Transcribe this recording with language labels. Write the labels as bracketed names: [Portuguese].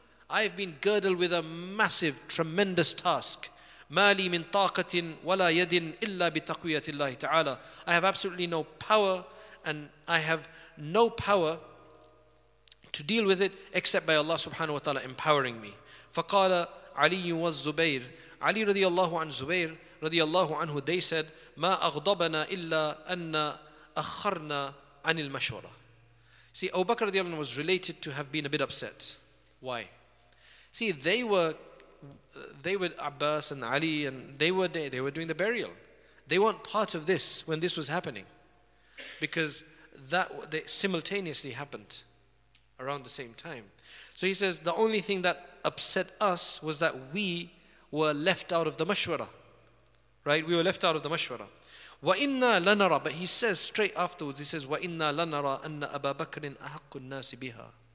[English] I've been girdled with a massive, tremendous task. [Arabic] مَا لِي مِنْ طَاقَةٍ وَلَا يَدٍ إِلَّا بِتَقْوِيَةِ اللَّهِ تَعَالَى. [English] I have absolutely no power, and I have no power to deal with it except by Allah subhanahu wa ta'ala empowering me. [Arabic] فَقَالَ علي والزبير. علي رضي الله عن زبير رضي الله عنه, [English] they said, [Arabic] ما أغضبنا إلا أن أخرنا عن المشورة. [English] See, Abu Bakr رضي الله عنه was related to have been a bit upset. Why? See, they were Abbas and Ali, and they were doing the burial. They weren't part of this when this was happening, because they simultaneously happened around the same time. So he says the only thing that upset us was that we were left out of the mashwara. Right? We were left out of the mashwara. [Arabic] وَإِنَّا لَنَرَى. [English] But he says straight afterwards, he says, [Arabic] وَإِنَّا لَنَرَى أَنَّ أَبَا بَكْرٍ أَحَقُّ النَّاسِ بِهَا.